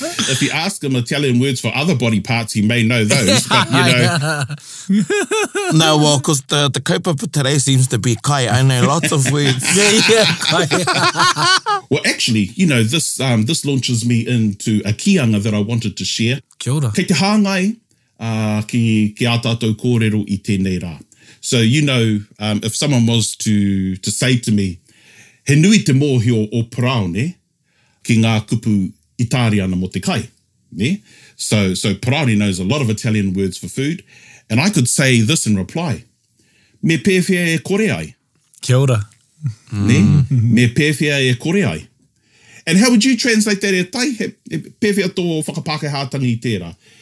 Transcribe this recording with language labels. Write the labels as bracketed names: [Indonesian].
[English] If you ask him Italian words for other body parts, he may know those, but you know. No, well, because the kaupapa today seems to be kai. I know lots of words. Yeah. Well, actually, you know, this launches me into a kianga that I wanted to share. [Māori] Kia ora. Kei te hāngai ki a tātou kōrero I tēnei rā. [English] So, you know, if someone was to say to me, [Māori] he nui te mōhio o Paraone ki ngā kupu Itariana mo te kai. Yeah? [English] So Paraone knows a lot of Italian words for food, and I could say this in reply. [Māori] Me pēwhia e kore ai. Kia ora. Yeah? Me pēwhia e kore ai. [English] And how would you translate that e tai? [Māori] He pēwhia tō whakapākehātangi tērā.